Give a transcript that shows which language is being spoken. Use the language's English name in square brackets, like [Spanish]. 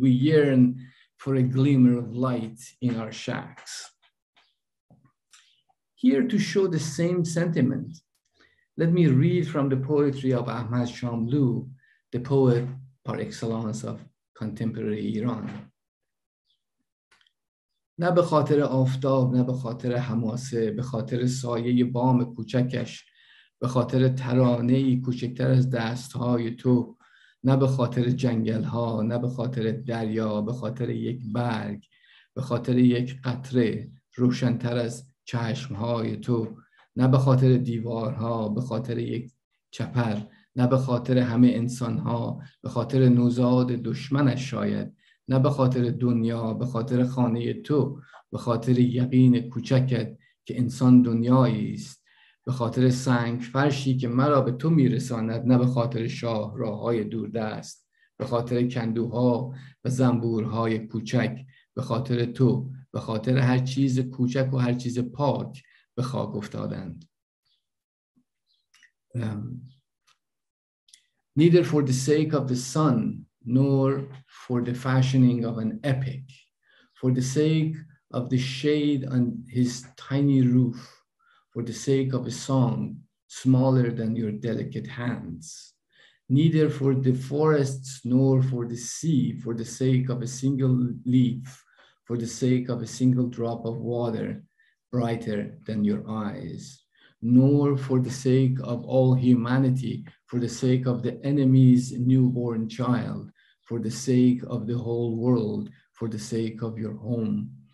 [English] We yearn for a glimmer of light in our shacks. Here to show the same sentiment, let me read from the poetry of Ahmad Shamlu, the poet par excellence of contemporary Iran. [Persian] نه به خاطر آفتاب، نه به خاطر حماسه، به خاطر سایه بام کوچکش، به خاطر ترانه‌ای کوچکتر از دست‌های تو، نه به خاطر جنگل‌ها، نه به خاطر دریا، به خاطر یک برگ، به خاطر یک قطره روشن‌تر از چشم‌های تو، نه به خاطر دیوارها، به خاطر یک چپر، نه به خاطر همه انسان‌ها، به خاطر نوزاد دشمنش شاید، نه به خاطر دنیا، به خاطر خانه تو، به خاطر یقین کوچکت که انسان دنیایی است، به خاطر سنگ فرشی که مرا به تو میرساند، نه به خاطر شاهراهای دوردست، به خاطر کندوها و زنبورهای کوچک، به خاطر تو، به خاطر هر چیز کوچک و هر چیز پاک به خاک افتادند. [English] Neither for the sake of the sun nor for the fashioning of an epic, for the sake of the shade on his tiny roof, for the sake of a song smaller than your delicate hands, neither for the forests nor for the sea, for the sake of a single leaf, for the sake of a single drop of water brighter than your eyes, nor for the sake of all humanity, for the sake of the enemy's newborn child, for the sake of the whole world, for the sake of your home,